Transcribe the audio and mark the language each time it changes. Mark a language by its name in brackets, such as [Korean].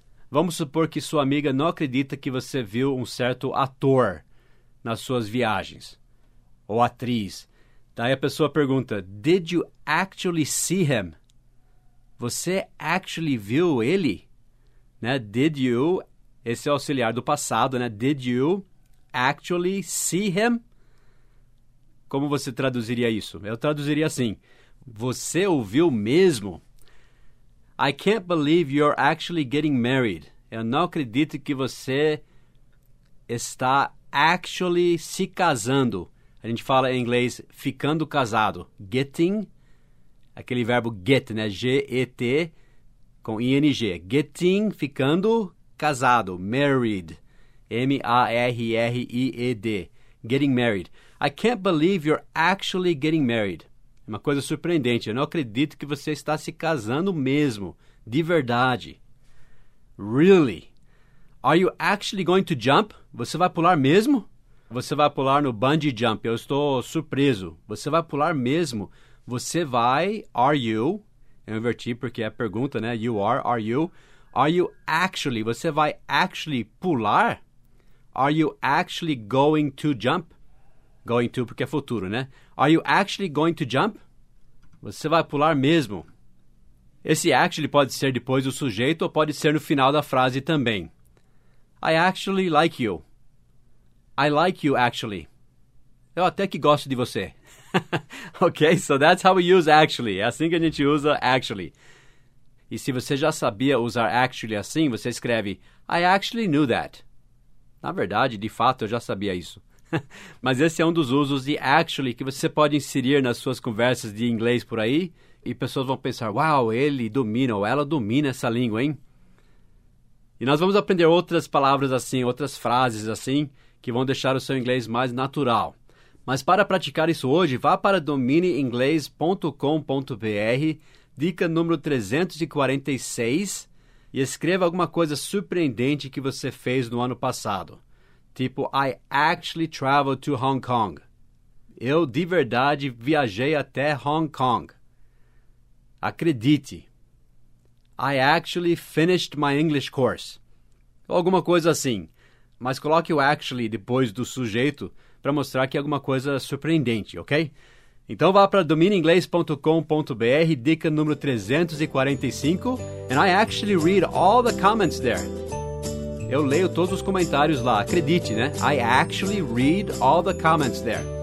[Portuguese] Vamos supor que sua amiga não acredita que você viu um certo ator nas suas viagens. Ou atriz. Daí a pessoa pergunta, [English] Did you actually see him? [Portuguese] Você actually viu ele? Né? [English] Did you? [Portuguese] Esse é o auxiliar do passado, né? [English] Did you actually see him? [Portuguese] Como você traduziria isso? Eu traduziria assim: Você ouviu mesmo? [English] I can't believe you're actually getting married. [Portuguese] Eu não acredito que você está actually se casando. A gente fala em inglês ficando casado. Getting, aquele verbo get, né? G-E-T com ING. Getting, ficando casado. Married. [English] Married. Getting married. I can't believe you're actually getting married. [Portuguese] Uma coisa surpreendente. Eu não acredito que você está se casando mesmo. De verdade. Really? [English] Are you actually going to jump? [Portuguese] Você vai pular mesmo? Você vai pular no bungee jump. Eu estou surpreso. Você vai pular mesmo? Você vai. [English] Are you? [Portuguese] Eu inverti porque é a pergunta, né? [English] You are you? Are you actually? [Portuguese] Você vai actually pular? [English] Are you actually going to jump? [Portuguese] Going to porque é futuro, né? [English] Are you actually going to jump? [Portuguese] Você vai pular mesmo? Esse actually pode ser depois do sujeito ou pode ser no final da frase também. [English] I actually like you. I like you actually. [Portuguese] Eu até que gosto de você. [English] Okay, so that's how we use actually. [Portuguese] É assim que a gente usa actually. E se você já sabia usar actually assim, você escreve [English] I actually knew that. [Portuguese] Na verdade, de fato, eu já sabia isso. Mas esse é um dos usos de actually que você pode inserir nas suas conversas de inglês por aí e pessoas vão pensar: Uau, ele domina ou ela domina essa língua, hein? E nós vamos aprender outras palavras assim, outras frases assim, que vão deixar o seu inglês mais natural. Mas para praticar isso hoje, vá para domineinglês.com.br, dica número 346, e escreva alguma coisa surpreendente que você fez no ano passado. [English] Tipo, I actually traveled to Hong Kong. [Portuguese] Eu de verdade viajei até Hong Kong. Acredite. [English] I actually finished my English course. [Portuguese] Ou alguma coisa assim. Mas coloque o actually depois do sujeito para mostrar que é alguma coisa surpreendente, ok? Então vá para domineinglês.com.br, dica número 345, [English] and I actually read all the comments there. [Portuguese] Eu leio todos os comentários lá, acredite, né? [English] I actually read all the comments there.